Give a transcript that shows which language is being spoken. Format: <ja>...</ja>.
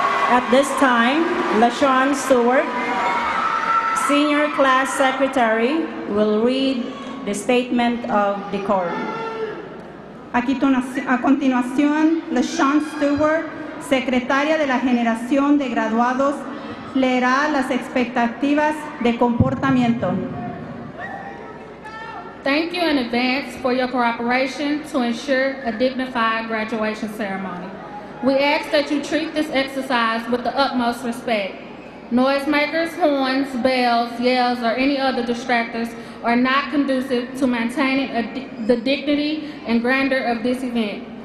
<en>At this time, LaShawn Stewart, Senior Class Secretary, will read the statement of decorum.</en> <es>Aquí a continuación, LaShawn Stewart, Secretaria de la Generación de Graduados, leerá las expectativas de comportamiento.</es> <en>Thank you in advance for your cooperation to ensure a dignified graduation ceremony. We ask that you treat this exercise with the utmost respect. Noisemakers, horns, bells, yells, or any other distractors are not conducive to maintaining the dignity and grandeur of this event.</en>